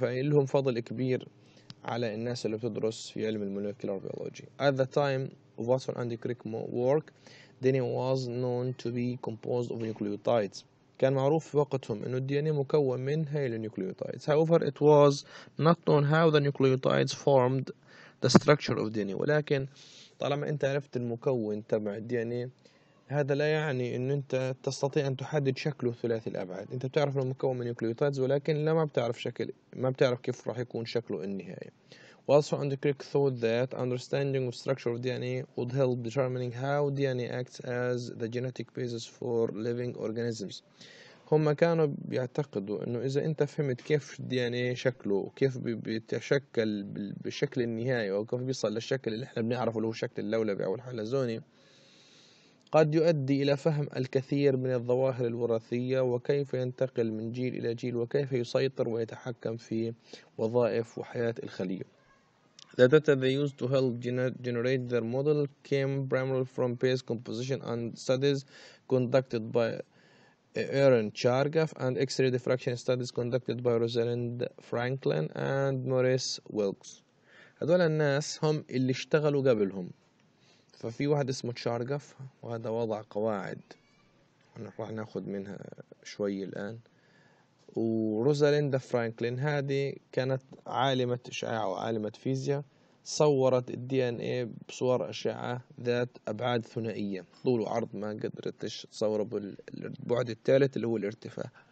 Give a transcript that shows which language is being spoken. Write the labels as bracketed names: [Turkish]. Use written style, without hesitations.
[Arabic] فلهم فضل كبير على الناس اللي بتدرس في علم المولكيولار بيولوجي. [English] At the time of Watson and Crick's work, DNA was known to be composed of nucleotides. [Arabic] كان معروف في وقتهم انه الدي ان اي مكون من هاي النيوكليوتيدز. [English] However it was not known how the nucleotides formed the structure of DNA. [Arabic] ولكن طالما انت عرفت المكون تبع الدي ان اي، هذا لا يعني ان انت تستطيع ان تحدد شكله ثلاثي الابعاد. انت بتعرف انه مكون من نيوكليوتيدز، ولكن لا ما بتعرف شكل، ما بتعرف كيف راح يكون شكله النهائي. [English] Also and Crick thought that understanding of structure of DNA would help determining how DNA acts as the genetic basis for living organisms. [Arabic] هم كانوا بيعتقدوا انه اذا انت فهمت كيف DNA شكله وكيف بيتشكل بالشكل النهائي وكيف بيصل للشكل اللي احنا بنعرفه اللي هو شكل اللولبي او الحلزوني، قد يؤدي الى فهم الكثير من الظواهر الوراثية وكيف ينتقل من جيل الى جيل وكيف يسيطر ويتحكم في وظائف وحياة الخلية. [English] The data they used to help generate their model came primarily from base composition and studies conducted by Aaron Chargaff and X-ray diffraction studies conducted by Rosalind Franklin and Maurice Wilkes. [Arabic] هذول الناس هم اللي اشتغلوا قبلهم. ففي واحد اسمه تشارغاف وهذا وضع قواعد راح ناخذ منها شوي الآن، وروزاليندا فرانكلين هذه كانت عالمة إشعاع وعالمة فيزياء، صورت الـ DNA بصور أشعة ذات أبعاد ثنائية طول وعرض ما قدرت تصوره بالبعد الثالث اللي هو الارتفاع.